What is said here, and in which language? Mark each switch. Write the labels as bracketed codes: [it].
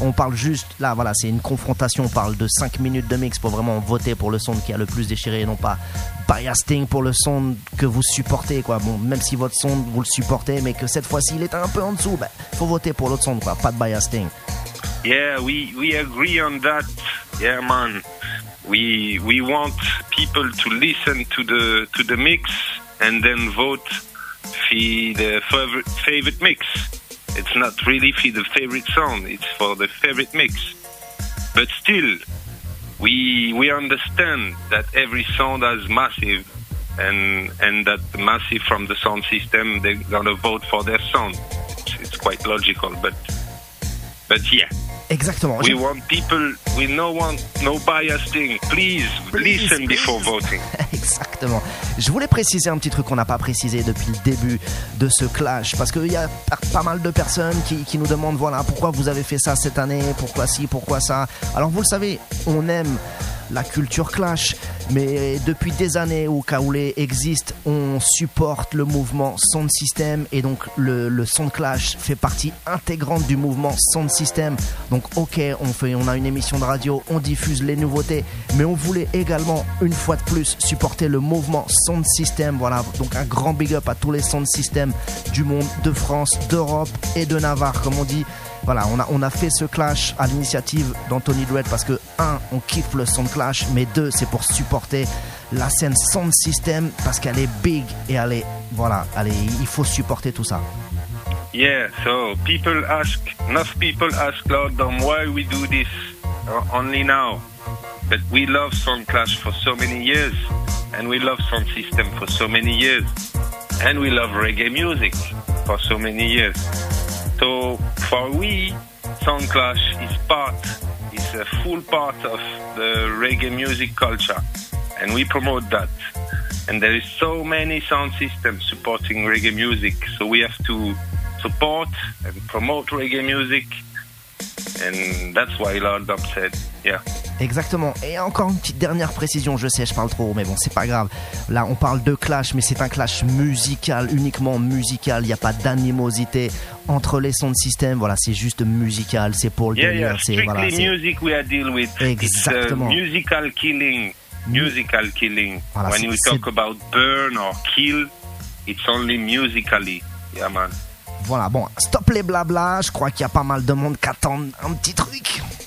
[fr] On parle juste, là, voilà, c'est une confrontation, on parle de 5 minutes de mix. Il faut vraiment voter pour le son qui a le plus déchiré, non pas biasting pour le son que vous supportez, quoi. Bon, même si votre son, vous le supportez, mais que cette fois-ci, il est un peu en dessous, ben, faut voter pour l'autre son, quoi, pas de biasting. [en] Yeah, we agree on that. Yeah, man. We want people to listen to the mix and then vote for their favorite mix. It's not really for the favorite song, it's for the favorite mix. But still, we understand that every sound has massive and that massive from the sound system, they're gonna vote for their sound. It's quite logical, but yeah. [fr] Exactement. [en] We want people, we no want no bias thing. Please listen please. Before voting. [fr] Exactement. Je voulais préciser un petit truc qu'on n'a pas précisé depuis le début de ce clash. Parce qu'il y a pas mal de personnes qui nous demandent, voilà, pourquoi vous avez fait ça cette année, pourquoi ci, pourquoi ça. Alors vous le savez, on aime la culture clash, mais depuis des années où Kaoulé existe, on supporte le mouvement Sound System, et donc le Sound Clash fait partie intégrante du mouvement Sound System. Donc ok, on a une émission de radio, on diffuse les nouveautés, mais on voulait également une fois de plus supporter le mouvement Sound System. Voilà, donc un grand big up à tous les Sound System du monde, de France, d'Europe et de Navarre, comme on dit. Voilà, on a fait ce clash à l'initiative d'Anthony Dread parce que, un, on kiffe le Sound Clash, mais deux, c'est pour supporter la scène Sound System parce qu'elle est big et elle est, voilà, elle est, il faut supporter tout ça. [en] Yeah, so enough people ask Lord Dom why we do this only now. But we love Sound Clash for so many years and we love Sound System for so many years and we love reggae music for so many years. So for we, Sound Clash is a full part of the reggae music culture, and we promote that. And there is so many sound systems supporting reggae music, so we have to support and promote reggae music, and that's why Lord Dom said, yeah. [fr] Exactement. Et encore une petite dernière précision, je sais, je parle trop, mais bon, c'est pas grave. Là, on parle de clash, mais c'est un clash musical, uniquement musical. Il n'y a pas d'animosité entre les sons de système. Voilà, c'est juste musical. C'est pour le délire. [en] Yeah, [fr] c'est strictly voilà, c'est [en] music we are dealing with. [fr] Exactement. [en] It's musical killing. Musical killing. Voilà, when we talk about burn or kill, it's only musically. Yeah, man. [fr] Voilà, bon, stop les blabla. Je crois qu'il y a pas mal de monde qui attend un petit truc.